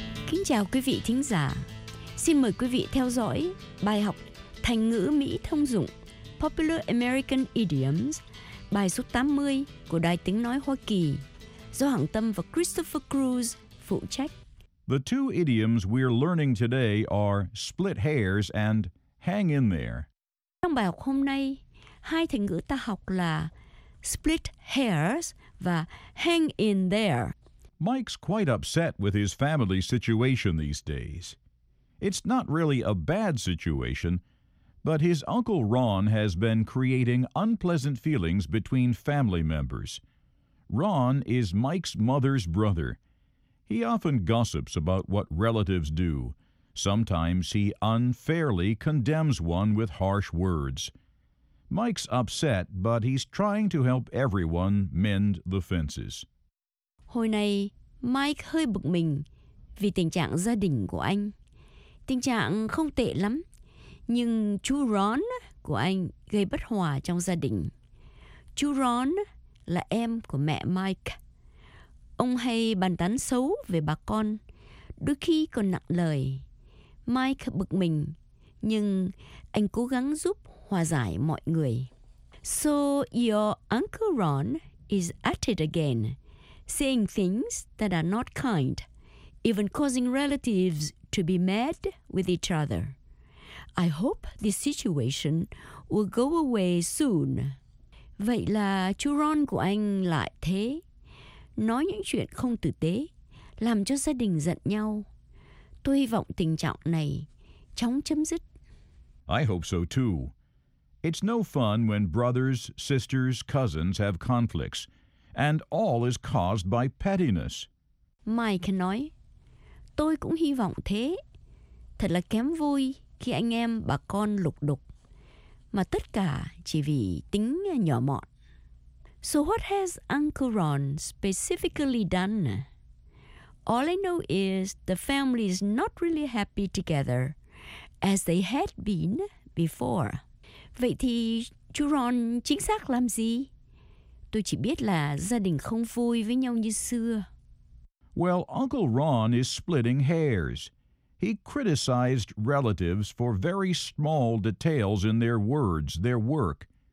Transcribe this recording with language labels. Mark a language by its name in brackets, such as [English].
[Vietnamese] Kính chào quý vị thính giả. Xin mời quý vị theo dõi bài học Thành ngữ Mỹ thông dụng Popular American Idioms, bài số 80 của Đài Tiếng Nói Hoa Kỳ, do Hằng Tâm và Christopher Cruz phụ trách. [English] The two idioms we're learning today are split hairs and hang in there. [Vietnamese] Trong bài học hôm nay, hai thành ngữ ta học là split hairs và hang in there. [English] Mike's quite upset with his family situation these days. It's not really a bad situation, but his Uncle Ron has been creating unpleasant feelings between family members. Ron is Mike's mother's brother. He often gossips about what relatives do. Sometimes he unfairly condemns one with harsh words. Mike's upset, but he's trying to help everyone mend the fences. [Vietnamese] Hồi này, Mike hơi bực mình vì tình trạng gia đình của anh. Tình trạng không tệ lắm, nhưng chú Ron của anh gây bất hòa trong gia đình. Chú Ron là em của mẹ Mike. Ông hay bàn tán xấu về bà con, đôi khi còn nặng lời. Mike bực mình, nhưng anh cố gắng giúp hòa giải mọi người. [English] So your Uncle Ron is at it again, saying things that are not kind, even causing relatives to be mad with each other. I hope this situation will go away soon. [Vietnamese] Vậy là chú Ron của anh lại thế, nói những chuyện không tử tế, làm cho gia đình giận nhau. Tôi hy vọng tình trạng này chóng chấm dứt. [English] I hope so too. It's no fun when brothers, sisters, cousins have conflicts, and all is caused by pettiness. [Vietnamese] Mike nói, tôi cũng hy vọng thế. Thật là kém vui khi anh em bà con lục đục, mà tất cả chỉ vì tính nhỏ mọn. [English] So what has Uncle Ron specifically done? All I know is the family is not really happy together, as they had been before. [Vietnamese] Vậy thì chú Ron chính xác làm gì? Tôi chỉ biết là gia đình không vui với nhau như xưa. [English] Well, Uncle Ron is splitting hairs. He criticized relatives for very small details in their words, their work.